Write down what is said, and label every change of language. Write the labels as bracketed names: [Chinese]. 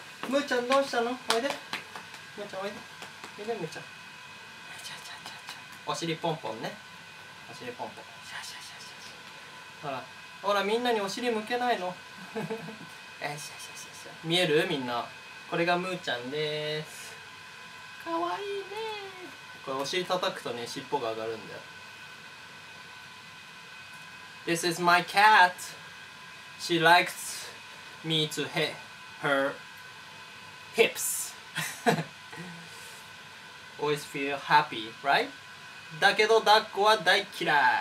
[Japanese] むーちゃんどうしたの？おいで、むーちゃんおいで、おいでむーちゃん、ちゃちゃちゃちゃ、お尻ポンポンね、お尻ポンポン、シャシャシャシャ、ほらほら、みんなにお尻向けないの？よしよしよしよし、見える？みんな、これがむーちゃんです。かわいいね。これお尻叩くとね、尻尾が上がるんだよ。 [English] This is my cat. She likes me to hit her hips. Always feel happy, right? [Japanese] だけど抱っこは大嫌い。